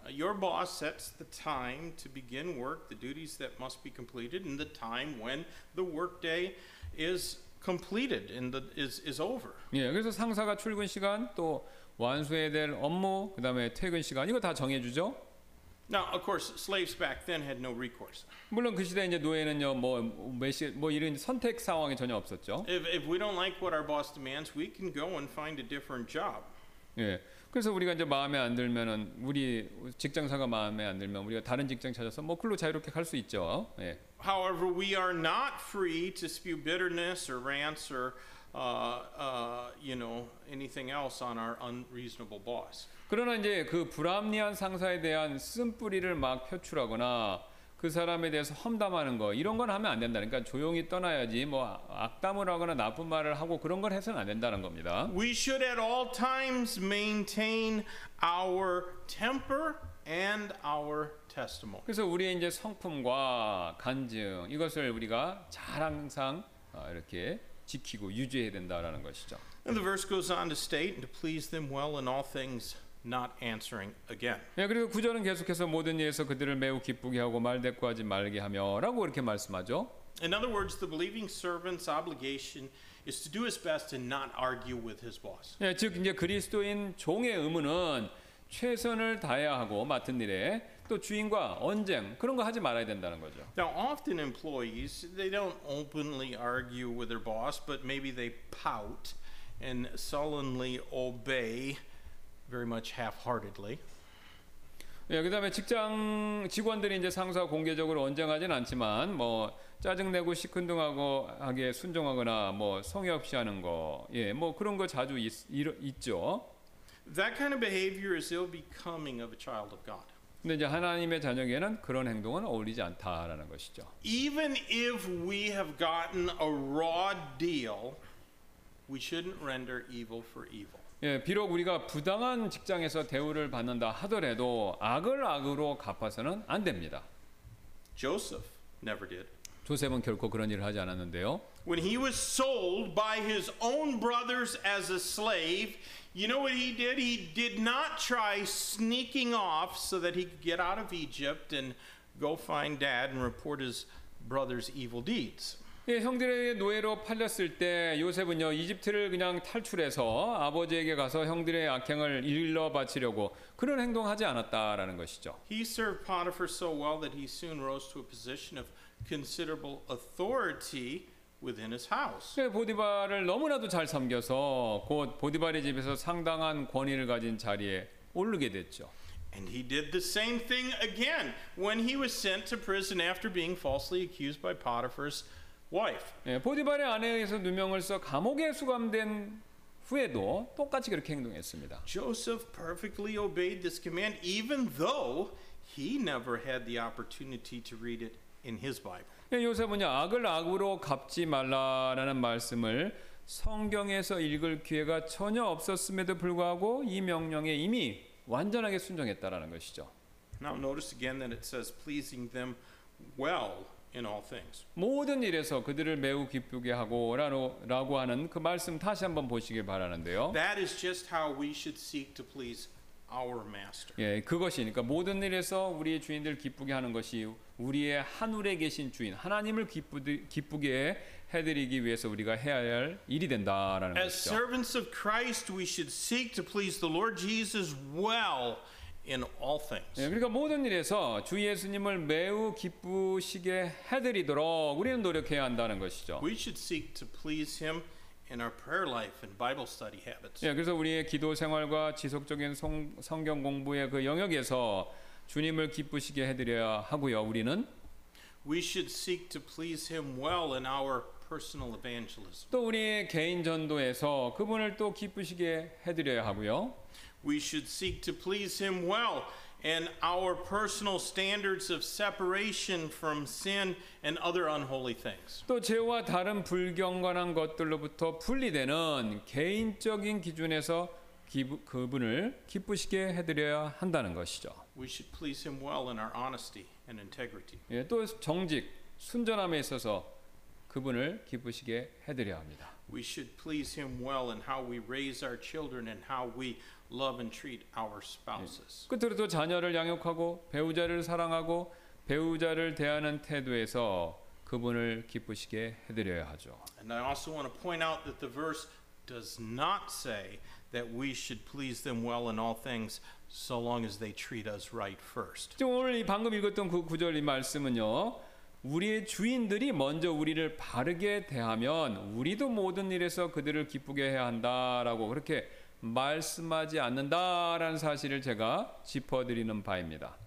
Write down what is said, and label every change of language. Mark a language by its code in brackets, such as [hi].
[en] Your boss sets the time to begin work, the duties that must be completed, and the time when the workday is completed and is over. [ko] 예, 그래서 상사가 출근 시간 또 완수해야 될 업무, 그 다음에 퇴근 시간 이거 다 정해주죠. [en] Now, of course, slaves back then had no recourse. [ko] 물론 그 시대 이제 노예는요 뭐 이런 선택 상황이 전혀 없었죠. [en] If we don't like what our boss demands, we can go and find a different job. [ko] 예, 그래서 우리가 이제 마음에 안 들면은 우리 직장사가 마음에 안 들면 우리가 다른 직장 찾아서 뭐 글로 자유롭게 갈 수 있죠. 예. [en] However, we are not free to spew bitterness or rants or you know anything else on our unreasonable boss. [ko] 그러나 이제 그 불합리한 상사에 대한 쓴뿌리를 막 표출하거나 그 사람에 대해서 험담하는 거 이런 건 하면 안 된다. 그러니까 조용히 떠나야지 뭐 악담을 하거나 나쁜 말을 하고 그런 걸 해서는 안 된다는 겁니다. [en] We should at all times maintain our temper and our testimony. [ko] 그래서 우리의 이제 성품과 간증 이것을 우리가 잘 항상 이렇게 지키고 유지해야 된다라는 것이죠. [en] And the verse goes on to state and to please them well in all things, not answering again. [ko] 예, 그리고 구절은 계속해서 모든 일에서 그들을 매우 기쁘게 하고 말 대꾸하지 말게 하며라고 이렇게 말씀하죠. [en] In other words, the believing servant's obligation is to do his best and not argue with his boss. [ko] 예, 즉 이제 그리스도인 종의 의무는 최선을 다해야 하고 맡은 일에 또 주인과 언쟁 그런 거 하지 말아야 된다는 거죠. [en] Now often employees they don't openly argue with their boss, but maybe they pout and sullenly obey very much half-heartedly. [ko] 예, 그다음에 직장 직원들이 이제 상사와 공개적으로 언쟁하진 않지만 뭐 짜증내고 시큰둥하게 순종하거나 뭐 성의 없이 하는 거, 예, 뭐 그런 거 자주 있죠. [en] That kind of behavior is ill-becoming of a child of God. [ko] 근데 이제 하나님의 자녀에게는 그런 행동은 어울리지 않다라는 것이죠. [en] Even if we have gotten a raw deal, we shouldn't render evil for evil. [ko] 예, 비록 우리가 부당한 직장에서 대우를 받는다 하더라도 악을 악으로 갚아서는 안 됩니다. [en] Joseph never did. [ko] 조셉은 결코 그런 일을 하지 않았는데요. [en] When he was sold by his own brothers as a slave, you know what he did? He did not try sneaking off so that he could get out of Egypt and go find dad and report his brother's evil deeds. [ko] 예, 형들의 노예로 팔렸을 때 요셉은요 이집트를 그냥 탈출해서 아버지에게 가서 형들의 악행을 일러바치려고 그런 행동하지 않았다라는 것이죠. [en] He served Potiphar so well that he soon rose to a position of considerable authority within his house. [ko] 예, 보디발을 너무나도 잘 섬겨서 곧 보디발의 집에서 상당한 권위를 가진 자리에 오르게 됐죠. [en] And he did the same thing again when he was sent to prison after being falsely accused by Potiphar's wife. [ko] 예, 보디발의 아내에게서 누명을 써 감옥에 수감된 후에도 똑같이 그렇게 행동했습니다. [en] Joseph perfectly obeyed this command even though he never had the opportunity to read it in his Bible. [ko] 예, 요셉은요, 악을 악으로 갚지 말라라는 말씀을 성경에서 읽을 기회가 전혀 없었음에도 불구하고 이 명령에 이미 완전하게 순종했다라는 것이죠. [en] Now notice again that it says pleasing them well in all things. [ko] 모든 일에서 그들을 매우 기쁘게 하고라고 하는 그 말씀 다시 한번 보시길 바라는데요. [en] That is just how we should seek to please our master. [ko] 예, 그것이니까 모든 일에서 우리의 주인들 기쁘게 하는 것이 우리의 하늘에 계신 주인 하나님을 기쁘게 해드리기 위해서 우리가 해야 할 일이 된다라는 [en] As [ko] 것이죠. [en] As servants of Christ, we should seek to please the Lord Jesus well in all things. [ko] 예, 그러니까 모든 일에서 주 예수님을 매우 기쁘시게 해드리도록 우리는 노력해야 한다는 것이죠. [en] We should seek to please Him in our prayer life and Bible study habits. [ko] 예, 그래서 우리의 기도 생활과 지속적인 성경 공부의 그 영역에서 주님을 기쁘시게 해드려야 하고요. 우리는 [en] We should seek to please Him well in our personal evangelism. [ko] 또 우리의 개인 전도에서 그분을 또 기쁘시게 해드려야 하고요. [en] We should seek to please Him well in our personal standards of separation from sin and other unholy things. [ko] 또 죄와 다른 불경건한 것들로부터 분리되는 개인적인 기준에서 그분을 기쁘시게 해드려야 한다는 것이죠. [en] We should please Him well in our honesty and integrity. [ko] 예, 또 정직, 순전함에 있어서 그분을 기쁘시게 해드려야 합니다. [en] We should please Him well in how we raise our children and how we love and treat our spouses. [ko] 예, 끝으로 또 자녀를 양육하고 배우자를 사랑하고 배우자를 대하는 태도에서 그분을 기쁘시게 해드려야 하죠. [en] And I also want to point out that the verse does not say that we should please them well in all things so long as they treat us right first. [ko] 오늘 방금 읽었던 그 구절 이 말씀은요. 우리의 주인들이 먼저 우리를 바르게 대하면 우리도 모든 일에서 그들을 기쁘게 해야 한다라고 그렇게 말씀하지 않는다라는 사실을 제가 짚어 드리는 바입니다.